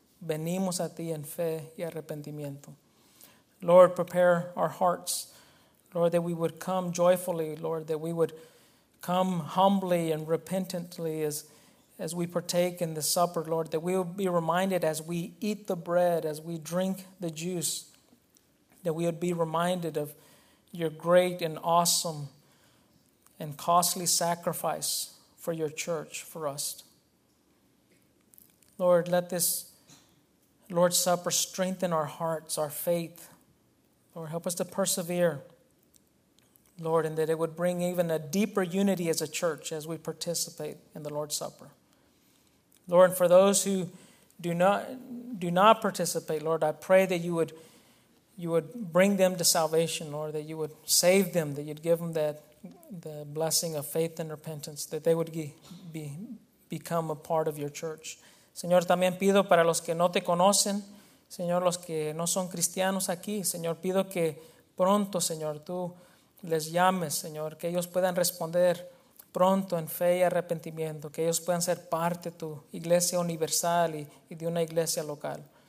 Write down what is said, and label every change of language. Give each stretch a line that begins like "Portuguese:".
Spanish: Venimos a ti en fe y arrepentimiento.
English: Lord, prepare our hearts. Lord, that we would come joyfully. Lord, that we would come humbly and repentantly as we partake in the supper, Lord, that we will be reminded as we eat the bread, as we drink the juice, that we would be reminded of your great and awesome and costly sacrifice for your church, for us. Lord, let this Lord's Supper strengthen our hearts, our faith. Lord, help us to persevere, Lord, and that it would bring even a deeper unity as a church as we participate in the Lord's Supper. Lord, for those who do not participate, Lord, I pray that you would bring them to salvation, Lord, that you would save them, that you'd give them that the blessing of faith and repentance, that they would become a part of your church.
Spanish: Señor, también pido para los que no te conocen, Señor, los que no son cristianos aquí, Señor, pido que pronto, Señor, tú les llames, Señor, que ellos puedan responder pronto en fe y arrepentimiento, que ellos puedan ser parte de tu iglesia universal y de una iglesia local.